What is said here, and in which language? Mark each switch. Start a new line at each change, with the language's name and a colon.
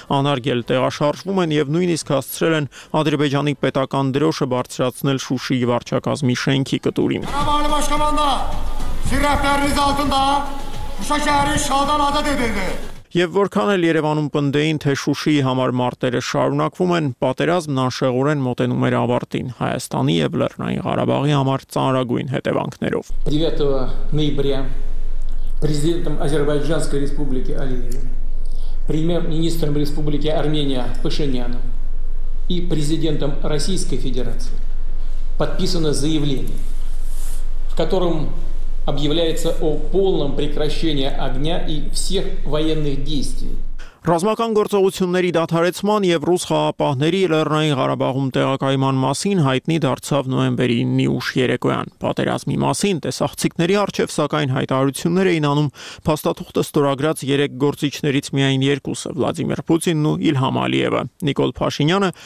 Armenian: անարգել տեղաշարժվում են և նույնիսկ հասցրել են Ադրբեջանի պետական դրոշը բարձրացնել Շուշիի վարչակազմի շենքի կտուրին։ Եվ որքան էլ Երևանում պնդեին, թե Շուշիի համար մարտերը շարունակվում են, պատերազմն անշեղորեն մոտենում էր ավարտին, Հայաստանի և Լեռնային Ղարաբաղի համար ծանրագույն հետևանքներով։
Russian: 9 ноября президентом Азербайджанской республики Алиевым, премьер-министром республики Армения Пашиняном и президентом Российской Федерации подписано заявление, в котором объявляется о полном прекращении огня и всех военных действий.
Armenian: Ռազմական գործողությունների դադարեցման և ռուս խաղապահների Լեռնային Ղարաբաղում տեղակայման մասին հայտնի դարձավ նոյեմբերի 9-ի ուշ երեկոյան։ Պատերազմի մասին տեսախցիկների առջև, սակայն, հայտարարություններ էին անում փաստաթուղթը ստորագրած 3 գործիչներից միայն 2-ը՝ Վլադիմիր Պուտինն ու Իլհամ Ալիևը։ Նիկոլ Փաշինյանը